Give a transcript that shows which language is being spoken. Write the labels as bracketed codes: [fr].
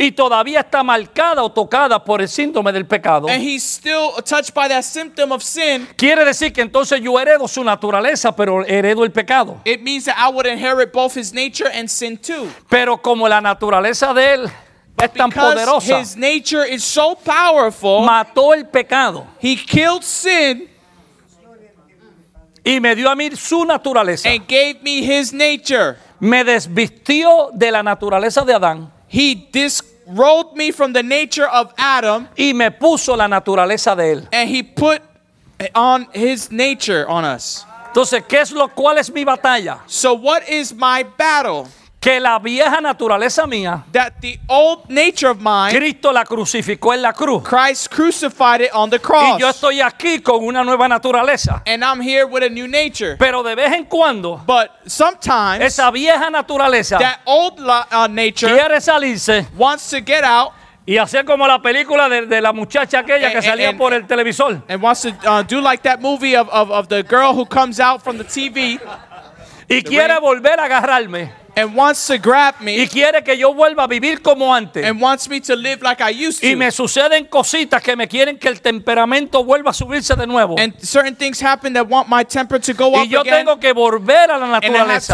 [es] Y todavía está marcada o tocada por el síntoma del pecado. [en] And he's still touched by that symptom of sin. [es] Quiere decir que entonces yo heredo su naturaleza, pero heredo el pecado. [en] It means that I would inherit both his nature and sin too. [es] Pero como la naturaleza de él. [en] But because [es] poderosa. [en] His nature is so powerful, [es] mató el pecado. [en] He killed sin, [es] y me dio a mí su naturaleza. [en] And gave me his nature. [es] Me desvistió de la naturaleza de Adán. [en] He disrobed me from the nature of Adam, [es] y me puso la naturaleza de él. [en] And he put on his nature on us. [es] Entonces, ¿qué es lo? ¿Cuál es mi batalla? [en] So what is my battle? [es] Que la vieja naturaleza mía, [en] that the old nature of mine, [es] Cristo la crucificó en la cruz. [en] Christ crucified it on the cross. [es] Y yo estoy aquí con una nueva naturaleza. [en] And I'm here with a new nature. [es] Pero de vez en cuando, [en] but sometimes, [es] esa vieja naturaleza, [en] that old nature, [es] quiere salirse, [en] wants to get out, [es] y hacer como la película de la muchacha aquella que salía por el televisor. [en] And wants to do like that movie of the girl who comes out from the TV. [es] Y the quiere rain. Volver a agarrarme. [en] And wants to grab me. [es] Y quiere que yo vuelva a vivir como antes. [en] And wants me to live like I used to. [es] Y me suceden cositas que me quieren que el temperamento vuelva a subirse de nuevo. [en] And certain things happen that want my temper to go up again. [es] Y yo tengo que volver a la naturaleza.